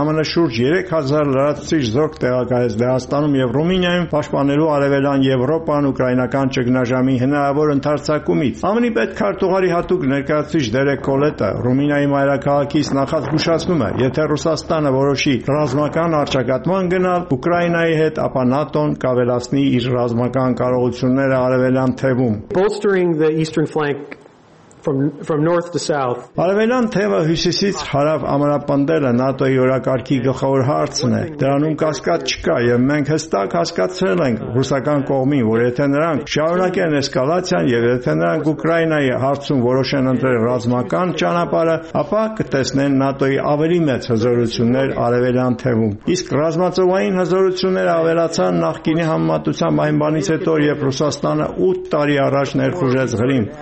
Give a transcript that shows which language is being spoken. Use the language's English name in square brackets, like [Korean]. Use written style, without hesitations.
[Armenian] ԱՄՆ-ը շուրջ 3000 լրացուցիչ զորք տեղակայեց Լեհաստանում և Ռումինիայում պաշտպանելու արևելան Եվրոպան ուկրաինական ճգնաժամի հնարավոր ընթարցակումից։ ԱՄՆ-ի պետքարտուղարի հատուկ ներկայացուցիչ Դերեկ Կոլետը Ռումինիայի մայրաքաղաքից նախազգուշացնում է, եթե Ռուսաստանը որոշի ռազմական արճակատման գնալ Ուկրաինայի հետ, ապա ՆԱՏՕ-ն կավելացնի իր ռազմական կարողությունները արևելան թևում. [English] Bolstering the eastern flank from north to south. [Armenian] Արևելյան թևը հյուսիսից հարավ ամրապնդելը ՆԱՏՕ-ի օրակարգի գլխավոր հարցն է։ Դրանում կասկած չկա եւ մենք հստակ հասկացել ենք ռուսական կողմին, որ եթե նրանք շարունակեն էսկալացիան եւ եթե նրանք Ուկրաինայի հարցում որոշեն ընտրել ռազմական ճանապարհը, ապա կտեսնեն ՆԱՏՕ-ի ավելի մեծ հզորություններ արևելյան թևում։ Իսկ ռազմածովային հզորությունները ավելացան նախկինի համատուցամ այն բանից հետո, երբ Ռուսաստանը 8 տարի առաջ ներխուժեց Ղրիմ։